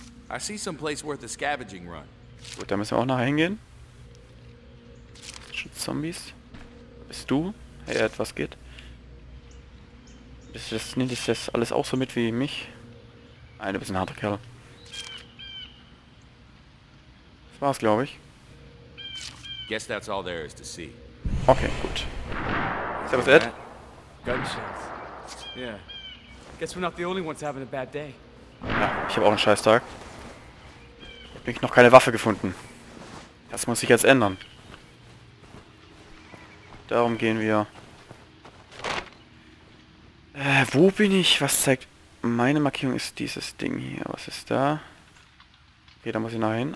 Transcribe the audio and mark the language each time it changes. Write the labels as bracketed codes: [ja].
[en] I see some place worth a scavenging run. [de] Gut, da müssen wir auch nachher hingehen. Schon Zombies. Bist du? Hey, etwas geht. Nimmt dich das alles auch so mit wie mich? Nein, du bist ein harter Kerl. Das war's, glaube ich. [en] Guess that's all there is to see. [de] Okay, gut. Servus, Ed. [en] Gunshots. Yeah. Guess we're not the only ones having a bad day. [de] Ja, ich habe auch einen Scheißtag. Ich habe noch keine Waffe gefunden. Das muss sich jetzt ändern. Darum gehen wir. Wo bin ich? Was zeigt... Meine Markierung ist dieses Ding hier. Was ist da? Okay, da muss ich nachher hin.